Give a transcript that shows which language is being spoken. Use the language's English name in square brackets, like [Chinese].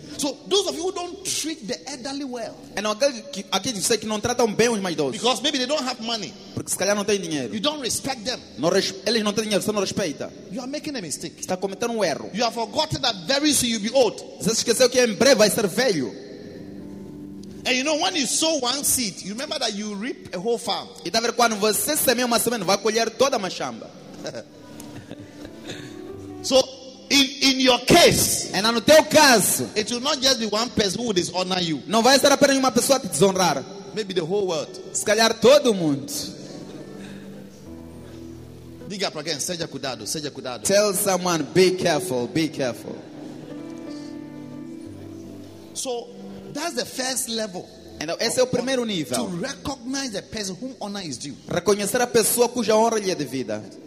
[English] So those of you who don't treat the elderly well, [Portuguese] and aqueles que não tratam bem os mais idosos, [English] because maybe they don't have money, [Portuguese] porque se calhar não têm dinheiro, [English] you don't respect them. [Portuguese] Eles não têm dinheiro, você não respeita. [English] You are making a mistake. [Portuguese] Está cometendo erro. [English] You have forgotten that very soon you'll be old. [Portuguese] Você esqueceu que em breve vai ser velho. [English] And you know when you sow one seed, you remember that you reap a whole farm. [Portuguese] E tá vendo quando você semeia uma semente, vai colher toda uma chamba. [English] So in your case, [Portuguese] and no teu caso, [English] it will not just be one person who will dishonor you. [Portuguese] Não vai ser apenas uma pessoa que desonrar. [English] Maybe the whole world. [Portuguese] Se calhar todo mundo. Diga para alguém, seja cuidado, seja cuidado. [English] Tell someone, be careful, be careful. So that's the first level. [Portuguese] And esse é o primeiro nível. [English] To recognize the person whom honor is due. [Portuguese] Reconhecer a pessoa cuja honra lhe é devida.